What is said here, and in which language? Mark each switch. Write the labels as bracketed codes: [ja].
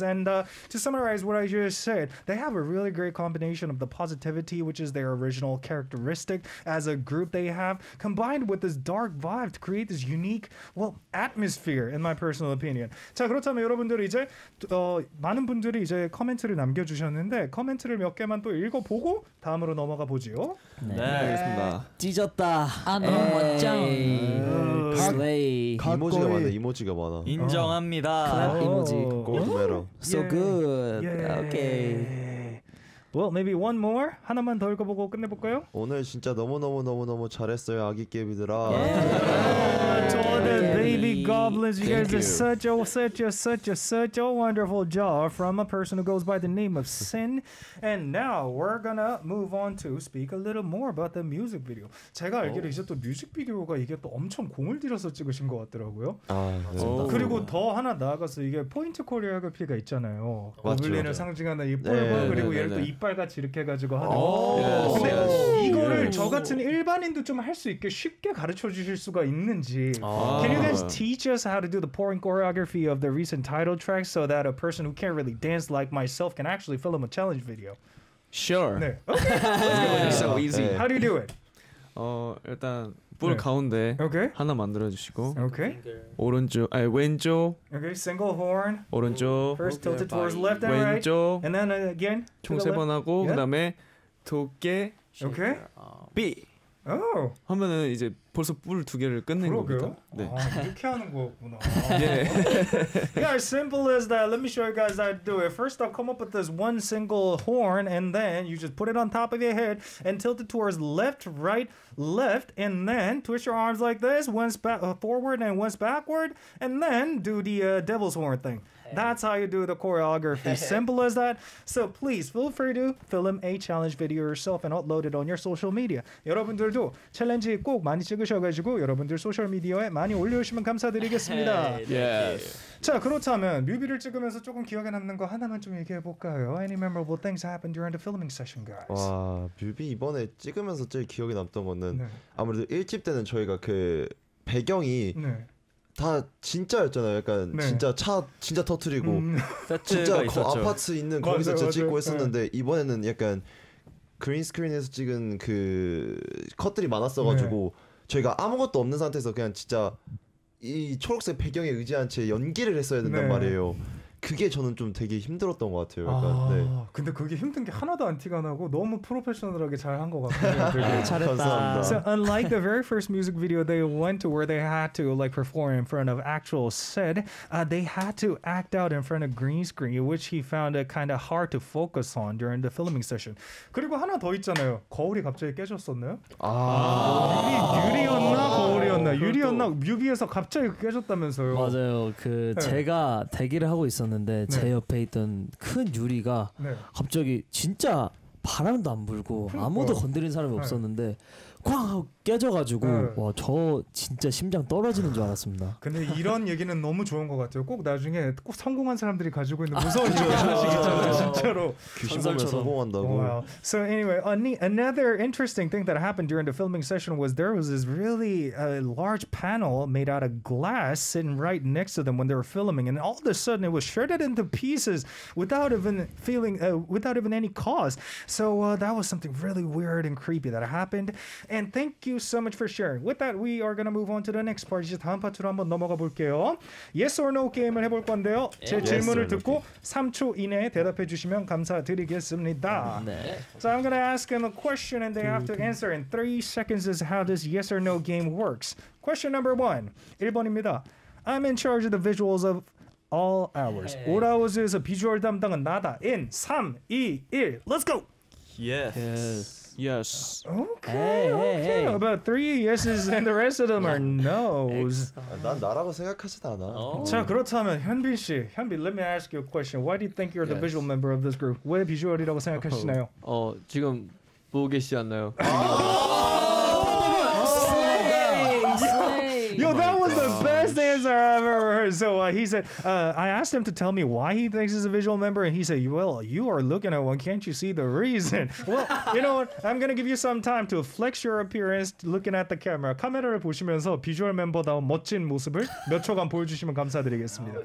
[en] And to summarize what I just said, they have a really great combination of the positivity, which is their original characteristic as a group they have, combined with this dark vibe to create this unique, well, atmosphere, in my personal opinion. [ko] 자, 그렇다면 여러분들 이제 많은 분들이 이제 코멘트를 남겨주셨는데 코멘트를 몇 개만 또 읽어보고 다음으로 넘어가 보지요. 네, 알겠습니다. 찢었다. 아, 너무 멋져. 슬레이. 이모지가 많아, 이모지가 많아. 인정합니다. 이모지. 골드메로. [en] So good. Yeah. Okay. Well, maybe one more. [ko] 하나만 더 읽어보고 끝내볼까요? 오늘 진짜 너무 잘했어요, 아기깨비들아. [en] Baby goblins, you guys are such a wonderful job from a person who goes by the name of Sin. And now we're gonna move on to speak a little more about the music video. [ko] 제가 알기로 이제 또 뮤직비디오가 이게 또 엄청 공을 들여서 찍으신 것 같더라고요. 아, 맞습니다. 그리고 더 하나 나아가서 이게 포인트 코리아그피가 있잖아요. 고블린을 상징하는 이 뽀얀 네, 그리고 얘를 또 이빨 같이 이렇게 해가지고 하는. 근데 이거를 저 같은 일반인도 좀 할 수 있게 쉽게 가르쳐 주실 수가 있는지. [en] Can you guys teach us how to do the pouring choreography of the recent title track so that a person who can't really dance like myself can actually film a challenge video? Sure. [ko] 네. [en] Okay. It's so easy. How do you do it? [ko] 일단 볼 네. 가운데 [en] okay. [ko] 하나 만들어주시고 [en] okay. [ko] 오른쪽 아니 왼쪽 [en] okay. single horn [ko] 오른쪽 [en] first okay. tilted towards left and [ko] 왼쪽 [en] right. and then again [ko] 총 세 번 하고 yeah. 그다음에 두 개 [en] okay. B. Oh. [ko] 하면은 이제 벌써 뿔 두 개를 끝낸 겁니다. 네. 아, 이렇게 하는 거구나. [en] Yeah. Yeah, as simple as that. Let me show you guys how to do it. First, I'll come up with this one single horn, and then you just put it on top of your head and tilt it towards left, right, left, and then twist your arms like this, once forward and once backward, and then do the devil's horn thing. That's how you do the choreography. Simple as that. So please feel free to film a challenge video yourself and upload it on your social media. [ko] 여러분들도 챌린지 꼭 많이 찍으셔가지고 여러분들 소셜 미디어에 많이 올려주시면 감사드리겠습니다. [en] Yes. [ko] 자 그렇다면 뮤비를 찍으면서 조금 기억에 남는 거 하나만 좀 얘기해 볼까요? [en] Any memorable things happened during the filming session, guys? [ko] 와 뮤비 이번에 찍으면서 제일 기억에 남던 거는 네. 아무래도 1집 때는 저희가 그 배경이 네. 다 진짜였잖아요. 약간 네. 진짜 차 진짜 터트리고 진짜 거 아파트 있는 거기서 맞아, 진짜 맞아. 찍고 했었는데 네. 이번에는 약간 그린 스크린에서 찍은 그 컷들이 많았어가지고 네. 저희가 아무것도 없는 상태에서 그냥 진짜 이 초록색 배경에 의지한 채 연기를 했어야 된단 네. 말이에요. 그게 저는 좀 되게 힘들었던 것 같아요. 약간, 아, 네. 근데 그게 힘든 게 하나도 안 티가 나고 너무 프로페셔널하게 잘한 것 같아요. 잘했다. [en] So unlike the very first music video, they went to where they had to like perform in front of actual set. They had to act out in front of green screen, which he found it kind of hard to focus on during the filming session. [ko] 그리고 하나 더 있잖아요. 거울이 갑자기 깨졌었나요? 아, 유리였나 거울이었나? 유리였나? 뮤비에서 갑자기 깨졌다면서요? 맞아요. 그 네. 제가 대기를 하고 있어. 었는데 네. 제 옆에 있던 큰 유리가 네. 갑자기 진짜 바람도 안 불고 아무도 건드린 사람이 네. 없었는데 쾅 하고 깨져가지고 네. 와 저 진짜 심장 떨어지는 줄 알았습니다. 근데 이런 얘기는 너무 좋은 것 같아요. 꼭 나중에 꼭 성공한 사람들이 가지고 있는 무서운 얘기 하시겠잖아요. 진짜로 귀신처럼 성공한다고. [en] So anyway, another interesting thing that happened during the filming session was there was this really large panel made out of glass sitting right next to them when they were filming, and all of a sudden it was shredded into pieces without even feeling without even any cause. So that was something really weird and creepy that happened. And thank you so much for sharing. With that, we are gonna move on to the next part. [ko] 이제 다음 파트로 한번 넘어가 볼게요. Yes or no 게임을 해볼 건데요. 제 yes 질문을 듣고 no 3초 이내에 대답해 주시면 감사드리겠습니다. 네. [en] So I'm gonna ask him a question and they have to answer in 3 seconds is how this yes or no game works. Question number 1. [ko] 1번입니다. [en] I'm in charge of the visuals of all hours. Hey. [ko] All hours에서 비주얼 담당은 나다. [en] In 3, 2, 1. Let's go! Yes. Yes. Okay. Hey, okay. Hey. About 3 yeses and the rest of them are noes. [ko] 난 나라고 생각하지도 않아. 자 그렇다면 현빈 씨, 현빈, [en] let me ask you a question. Why do you think you're the yes. visual member of this group? [ko] 왜 비주얼이라고 생각하시나요? 지금 보고 계시지 않나요? [en] Yo, oh that was God. The best answer I've ever heard. So he said, I asked him to tell me why he thinks he's a visual member, and he said, well, you are looking at one. Can't you see the reason? Well, you know what? I'm going to give you some time to flex your appearance looking at the camera. [ko] 카메라를 보시면서 비주얼 멤버다운 멋진 모습을 몇 초간 보여주시면 감사드리겠습니다.